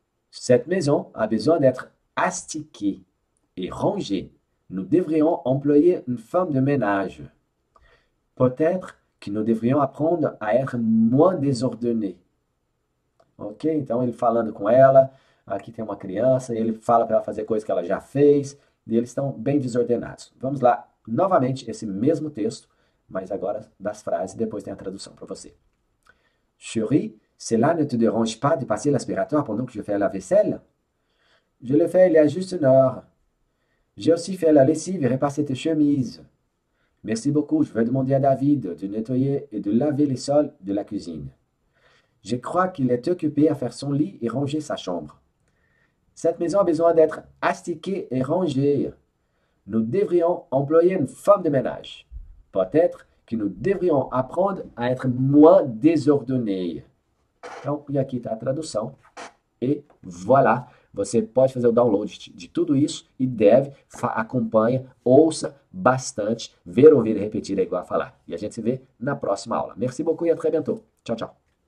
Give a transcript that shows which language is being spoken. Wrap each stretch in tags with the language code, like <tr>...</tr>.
<fr>Cette maison a besoin d'être astiquée et rangée. Nous devrions employer une femme de ménage. Peut-être que nous devrions apprendre à être moins désordonnés.</fr> <pt>Ok, então ele falando com ela. Aqui tem uma criança, ele fala para ela fazer coisas que ela já fez, e eles estão bem desordenados. Vamos lá, novamente, esse mesmo texto, mas agora das frases, depois tem a tradução para você.</pt> <fr>Chérie, cela ne te dérange pas de passer l'aspirateur pendant que je fais la vaisselle? Je l'ai fait il y a juste une heure. J'ai aussi fait la lessive et repassé tes chemises. Merci beaucoup, je vais demander à David de nettoyer et de laver les sols de la cuisine. Je crois qu'il est occupé à faire son lit et ranger sa chambre. Cette maison a besoin d'être astiquée et rangée. Nous devrions employer une femme de ménage. Peut-être que nous devrions apprendre à être moins désordonnés.</fr> <pt>Então, e aqui está a tradução.</pt> <fr>E voilà!</fr> <pt>Você pode fazer o download de tudo isso e deve, acompanha, ouça bastante, ver, ouvir e repetir é igual a falar. E a gente se vê na próxima aula.</pt> <fr>Merci beaucoup</fr> <pt>e</pt> <fr>à très bientôt.</fr> <pt>Tchau, tchau.</pt>